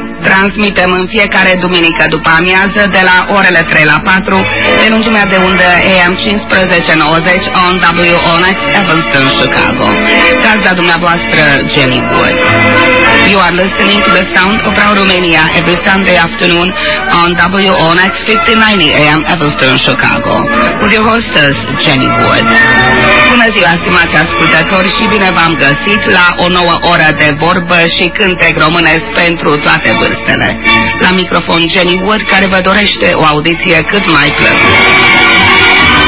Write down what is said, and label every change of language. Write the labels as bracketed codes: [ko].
[ro] transmitem în fiecare duminică după amiază de la orele 3 la 4 pe lungimea de undă AM 1590 on WONX Evanston, Chicago. Gazda dumneavoastră, Jenny Wood. [en] You are listening to the sound of our Romania every Sunday afternoon on WONX 1590 AM Evanston, Chicago. With your hostess, Jenny Wood. [ro] Bună ziua, stimați ascultători, și bine v-am găsit la o nouă oră de vorbă și cântec românesc pentru toate vârstele. La microfon Jenny Wood, care vă dorește o audiție cât mai plăcută.